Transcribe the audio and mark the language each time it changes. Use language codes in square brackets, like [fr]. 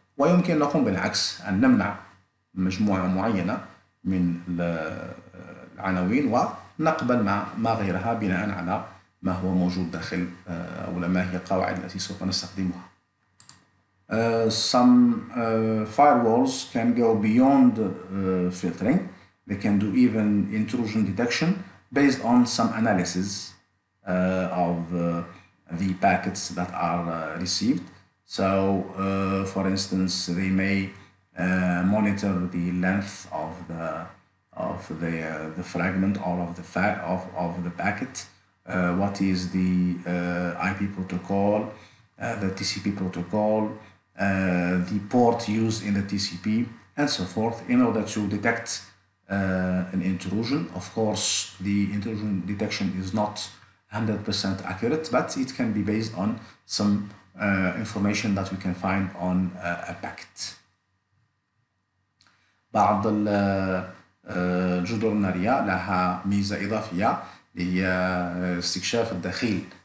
[ar] ويمكن نقوم بالعكس، أن نمنع مجموعة معينة من العناوين ونقبل ما غيرها بناء على ما هو موجود داخل أو ما هي القواعد التي سوف نستخدمها. [en] Some firewalls can go beyond filtering. They can do even intrusion detection based on some analysis of the packets that are received. So, for instance, they may monitor the length of the fragment or of the packet. What is the IP protocol, the TCP protocol, the port used in the TCP, and so forth, in order to detect an intrusion. Of course, the intrusion detection is not 100% accurate, but it can be based on some information that we can find on a packet. [ar] بعض الجدر النارية لها ميزة إضافية هي استكشاف الداخل